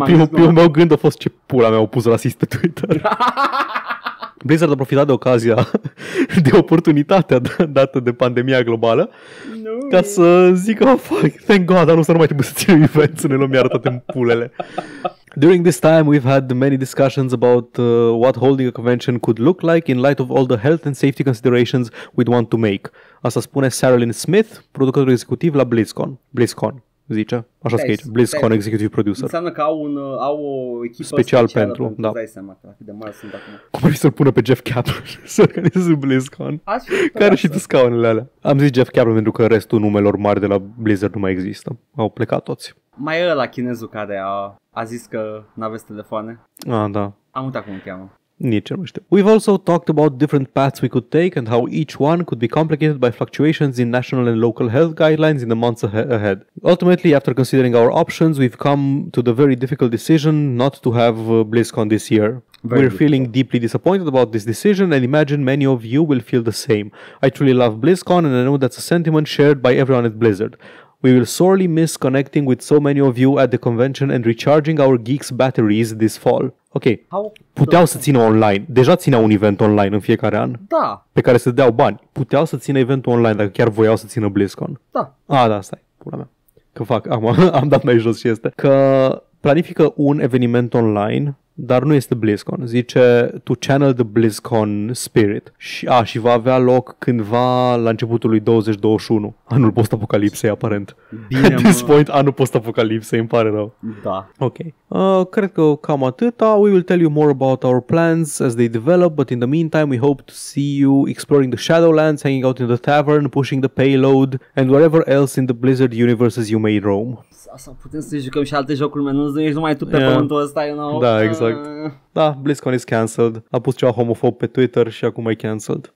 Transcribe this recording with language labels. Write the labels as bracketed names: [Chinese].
[Romanian] Primul meu gând a fost ce pula mea au pus rasist pe Twitter. Blizzard a profitat de ocazia, de oportunitatea dată de pandemia globală, ca să zică, [English] oh, fuck, thank God, [Romanian] anul ăsta nu mai trebuie să țin events, ne luăm iar toate în pulele. [English] During this time, we've had many discussions about what holding a convention could look like in light of all the health and safety considerations we'd want to make. [Romanian] Asta spune Sarilyn Smith, producător executiv la BlizzCon. BlizzCon. Zice, așa scrie aici, BlizzCon Executive Producer. Înseamnă că au o echipă special pentru, da. Dai seama că de mare sunt acum. Cum vrei să-l pună pe Jeff Capel să organizeze BlizzCon? Care și tu scaunele alea? Am zis Jeff Capel pentru că restul numelor mari de la Blizzard nu mai există. Au plecat toți. Mai e ăla chinezul care a zis că n-aveți telefoane. Ah, da. Am uitat cum îl cheamă. Nici nu știu. [English] We've also talked about different paths we could take and how each one could be complicated by fluctuations in national and local health guidelines in the months ahead. Ultimately, after considering our options, we've come to the very difficult decision not to have BlizzCon this year. We're feeling deeply disappointed about this decision and imagine many of you will feel the same. I truly love BlizzCon and I know that's a sentiment shared by everyone at Blizzard. We will sorely miss connecting with so many of you at the convention and recharging our geeks' batteries this fall. [Romanian] Ok, puteau să țină online. Deja țineau un event online în fiecare an. Da. Pe care se deau bani. Puteau să țină eventul online dacă chiar voiau să țină BlizzCon. Da. Ah, da, stai, pula mea. Că fac, am dat mai jos și este. Că planifică un eveniment online, dar nu este BlizzCon. Zice, [English] to channel the BlizzCon spirit. [Romanian] Și va avea loc cândva la începutul lui 2021. Anul post-apocalipsei, aparent. Bine, [English] at this point, [Romanian] anul post-apocalipsei, îmi pare rău. Da. Ok. Cred că cam atâta. [English] We will tell you more about our plans as they develop, but in the meantime, we hope to see you exploring the Shadowlands, hanging out in the tavern, pushing the payload, and wherever else in the Blizzard universes you may roam. [Romanian] Sau putem să jucăm și alte jocuri, menuți, nu ești numai tu pe pământul ăsta, [English] you know? [Romanian] Da, exact. Da, [English] BlizzCon is cancelled. [Romanian] A pus ceva homofob pe Twitter și acum e cancelled.